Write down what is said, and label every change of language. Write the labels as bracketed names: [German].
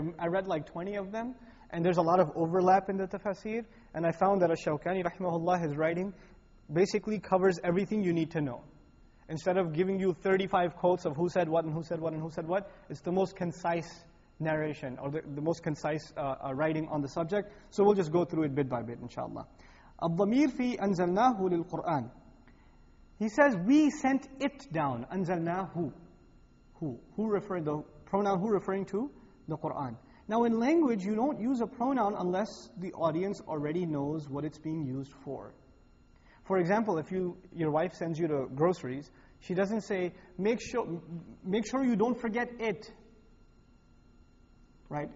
[English] I read like 20 of them, and there's a lot of overlap in the tafsir, and I found that Ash-Shawkani rahimahullah, his writing basically covers everything you need to know. Instead of giving you 35 quotes of who said what and who said what and who said what, it's the most concise narration, or the most concise writing on the subject. So we'll just go through it bit by bit, inshallah. [Arabic] الضمير في أنزلناه للقرآن. [English] He says, we sent it down. أنزلناه. Who referring to, the pronoun who referring to? The Qur'an. Now in language, you don't use a pronoun unless the audience already knows what it's being used for. For example, if your wife sends you to groceries, she doesn't say, make sure you don't forget it. Right?